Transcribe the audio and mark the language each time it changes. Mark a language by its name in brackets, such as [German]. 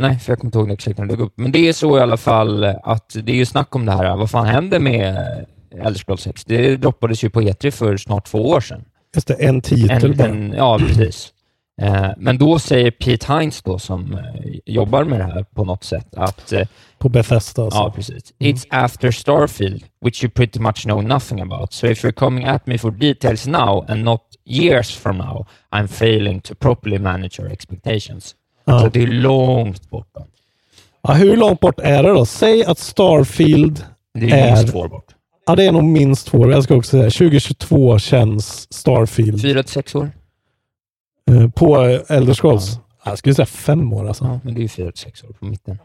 [Swedish] Nej, för jag kommer inte ihåg när det gick upp. Men det är så i alla fall att det är ju snack om det här. Vad fan hände med Elder Scrolls 6? Det droppades ju på E3 för snart 2 år sedan. Just det, en titel. Ja, precis. Men då säger Pete Hines då, som jobbar med det här på något sätt, att... På Bethesda alltså. Ja, precis. Mm. [English] It's after Starfield, which you pretty much know nothing about. So if you're coming at me for details now and not years from now, I'm failing to properly manage your expectations. [Swedish] Ja. Så det är långt bort. Ja, hur långt bort är det då? Säg att Starfield är... minst 2 år bort. Ja, det är nog minst 2 år. Jag ska också säga 2022 känns Starfield. 4-6 år. På Elder Scrolls. Ja. Jag skulle säga 5 år alltså. Ja, men det är ju 4-6 år på mitten.